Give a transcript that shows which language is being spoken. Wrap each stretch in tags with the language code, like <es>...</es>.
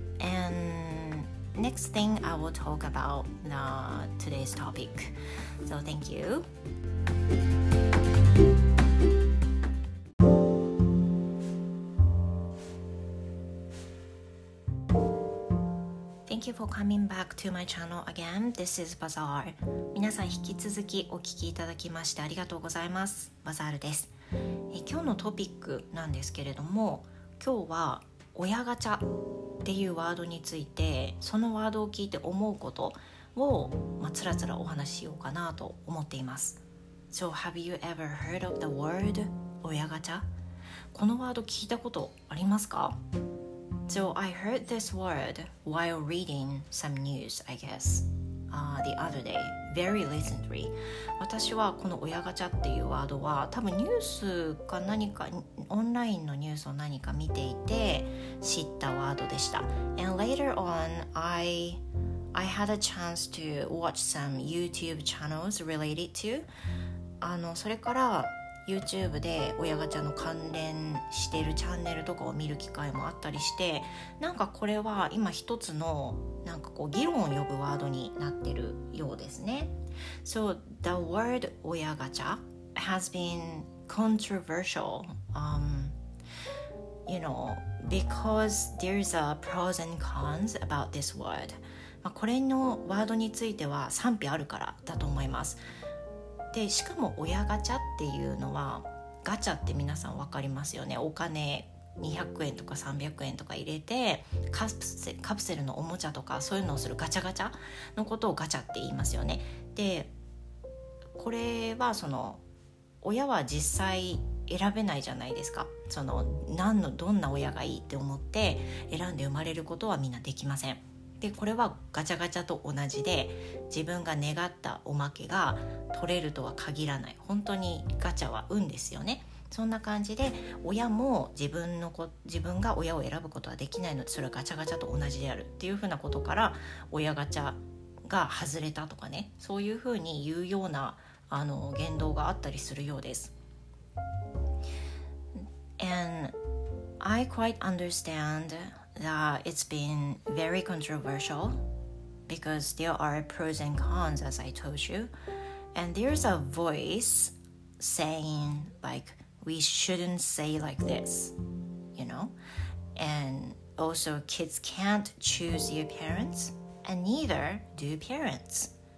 <en>And next thing, I will talk about today's topic. So, thank you. Thank you for coming back to my channel again. This is Bazaar.</en> <ja>皆さん引き続きお聞きいただきましてありがとうございます。 Bazaarです。今日のトピックなんですけれども、今日は親ガチャっていうワードについて、そのワードを聞いて思うことを、まあ、つらつらお話ししようかなと思っています。</ja> <en>So have you ever heard of the word 親ガチャ？</en> <ja>このワード聞いたことありますか？</ja> <en>So I heard this word while reading some news, I guessthe other day, very recently.</en> <ja>私はこの親ガチャっていうワードは多分ニュースか何かオンラインのニュースを何か見ていて知ったワードでした。</ja> <en>And later on, I had a chance to watch some YouTube channels related to</en> <ja>それから YouTube で親ガチャの関連しているチャンネルとかを見る機会もあったりして、なんかこれは今一つのなんかこう議論を呼ぶワードになってるようですね。</ja> <en>So the word 親ガチャ has been controversial, you know, because there's a pros and cons about this word.</en> <ja>まあこれのワードについては賛否あるからだと思います。でしかも親ガチャっていうのは、ガチャって皆さん分かりますよね。お金200円とか300円とか入れてカプセルのおもちゃとかそういうのをするガチャガチャのことをガチャって言いますよね。でこれはその親は実際選べないじゃないですか。その何のどんな親がいいって思って選んで生まれることはみんなできません。でこれはガチャガチャと同じで、自分が願ったおまけが取れるとは限らない。本当にガチャは運ですよね。そんな感じで親も自分が親を選ぶことはできないので、それはガチャガチャと同じであるっていうふうなことから、親ガチャが外れたとかね、そういうふうに言うような、あの、言動があったりするようです。</ja> <en>And I quite understand that it's been very controversial because there are pros and cons, as I told you, and there's a voice saying like we shouldn't say like this, you know, and also kids can't choose your parents and neither do parents.</en>